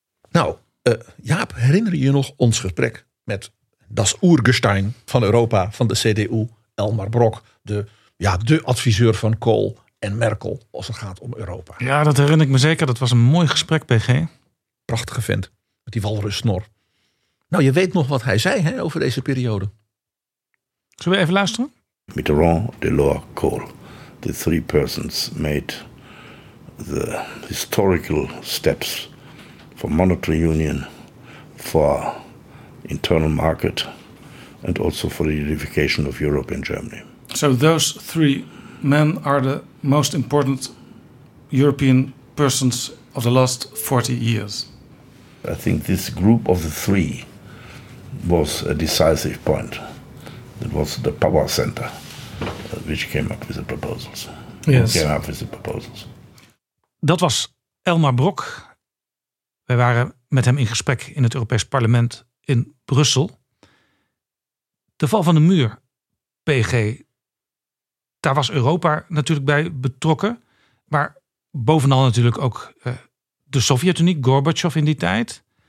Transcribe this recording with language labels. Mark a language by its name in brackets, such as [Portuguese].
[Dutch] Nou, Jaap, herinner je nog ons gesprek met [German] das Urgestein [Dutch] van Europa, van de CDU, Elmar Brok, de adviseur van Kohl en Merkel als het gaat om Europa? Ja, dat herinner ik me zeker. Dat was een mooi gesprek, PG. Prachtige vent, met die walrussnor. Nou, je weet nog wat hij zei, hè, over deze periode. Zullen we even luisteren? [English] Mitterrand, Delors, Kohl. The three persons made the historical steps for monetary union, for internal market, and also for the unification of Europe and Germany. So those three men are the most important European persons of the last 40 years. I think this group of the three was a decisive point. It was the power center which came up with the proposals. Yes. Came up with the proposals. [Dutch] Dat was Elmar Brok. Wij waren met hem in gesprek in het Europees Parlement in Brussel. De val van de muur, PG, daar was Europa natuurlijk bij betrokken. Maar bovenal natuurlijk ook de Sovjet-Unie, Gorbachev in die tijd.